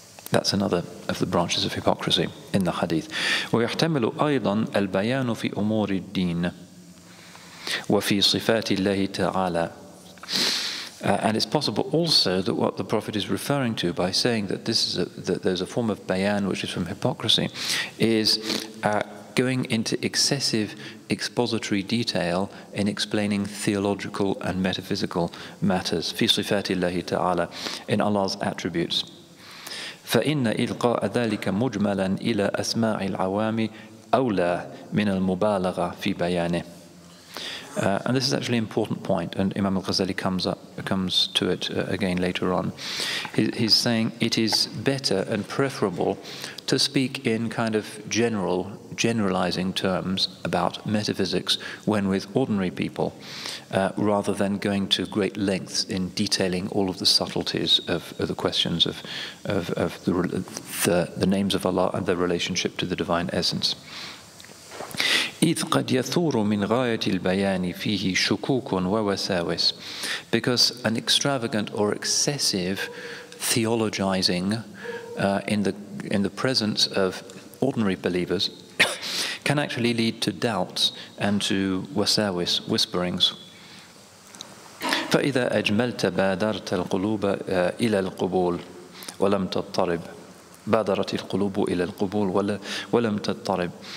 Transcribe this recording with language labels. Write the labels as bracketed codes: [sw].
[en] That's another of the branches of hypocrisy in the hadith. [ar] ويحتمل أيضا البيان في أمور الدين وفي صفات الله تعالى. [en] And it's possible also that what the Prophet is referring to by saying that this is that there's a form of bayan which is from hypocrisy is going into excessive expository detail in explaining theological and metaphysical matters. [ar] في صفات الله تعالى, [en] in Allah's attributes. [ar] فَإِنَّ إِلْقَاءَ ذَلِكَ مُجْمَلًا إِلَىٰ أَسْمَاعِ الْعَوَامِ أَوْلَىٰ مِنَ الْمُبَالَغَ فِي بَيَانِهِ. [en] And this is actually an important point, and Imam al-Ghazali comes to it again later on. He's saying it is better and preferable to speak in kind of generalizing terms about metaphysics when with ordinary people, rather than going to great lengths in detailing all of the subtleties of the questions of the names of Allah and their relationship to the divine essence. [ar] إذ قد يثور من غاية البيان فيه شكوك ووساوس. [en] Because an extravagant or excessive theologizing in the presence of ordinary believers can actually lead to doubts and to wasawis, whisperings. [ar] فإذا أجملت بادرت القلوب إلى القبول ولم تضطرب. بادرت القلوب إلى القبول ولم تضطرب.